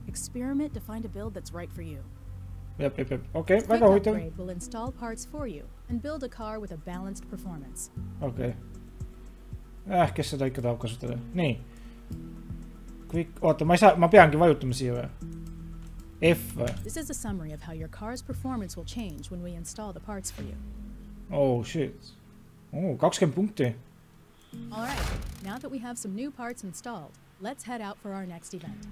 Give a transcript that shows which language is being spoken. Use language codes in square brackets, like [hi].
[en] Experiment to find a build that's right for you. Yep. Okay, [et] väga huvitav. [en] Upgrade will install parts for you and build a car with a balanced performance. Okay. [et] Kes seda ikka tahab kasutada? Nii. Quick, oota, ma peangi vajutama siia või? F. [en] This is a summary of how your car's performance will change when we install the parts for you. Oh shit. Oh, [et] 20 punkti. [en] All right. Now that we have some new parts installed, let's head out for our next event.